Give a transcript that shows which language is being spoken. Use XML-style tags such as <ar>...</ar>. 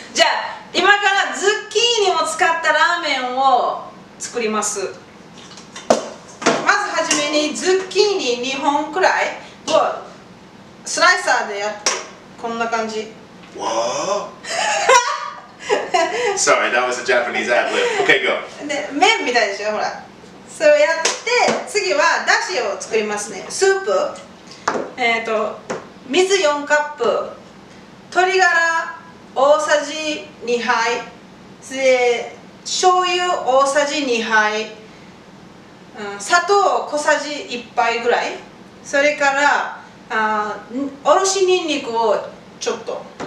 <ja>じゃあ、今からズッキーニを使ったラーメンを作ります。まずはじめにズッキーニ2本くらいをスライサーでやってこんな感じ。</ja> <en>わぁ Sorry, that was a Japanese ad lib. Okay, go.</en> <ja>で、麺みたいでしょ、ほら。それをやって、次はだしを作りますね。スープ、水4カップ、鶏ガラ大さじ2杯、で、醤油大さじ2杯、砂糖小さじ1杯ぐらい、それからおろしにんにくをちょっと。</ja>